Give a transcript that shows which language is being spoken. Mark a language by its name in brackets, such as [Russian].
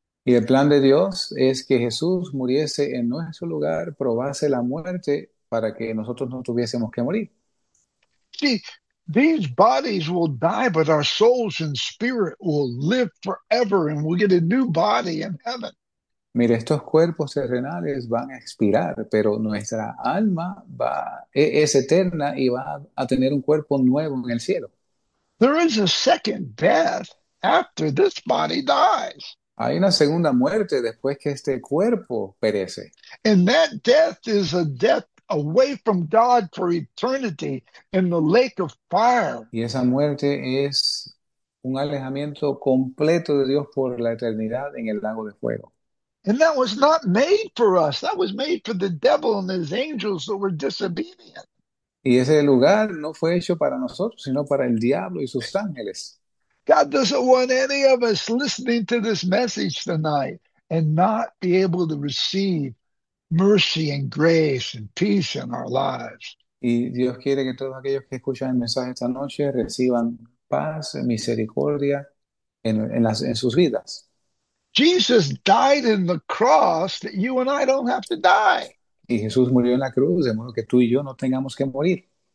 [Spanish] Y el plan de Dios es que Jesús muriese en nuestro lugar, probase la muerte para que nosotros no tuviésemos que morir. [English] See, these bodies will die, but our souls and spirit will live forever and we'll get a new body in heaven. [Spanish] Mire, estos cuerpos terrenales van a expirar, pero nuestra alma es eterna y va a tener un cuerpo nuevo en el cielo. [English] There is a second death after this body dies. [Spanish] Hay una segunda muerte después que este cuerpo perece. [English] And that death is a death away from God for eternity in the lake of fire. [Spanish] Y esa muerte es un alejamiento completo de Dios por la eternidad en el lago de fuego. [English] And that was not made for us. That was made for the devil and his angels that were disobedient. [Spanish] Y ese lugar no fue hecho para nosotros, sino para el diablo y sus ángeles. [English] God doesn't want any of us listening to this message tonight and not be able to receive mercy and grace and peace in our lives. [Spanish] Y Dios quiere que todos aquellos que escuchan el mensaje esta noche reciban paz, misericordia en sus vidas. [English] Jesus died in the cross that you and I don't have to die. [Spanish] Y Jesús murió en la cruz, de modo que tú y yo no tengamos que morir.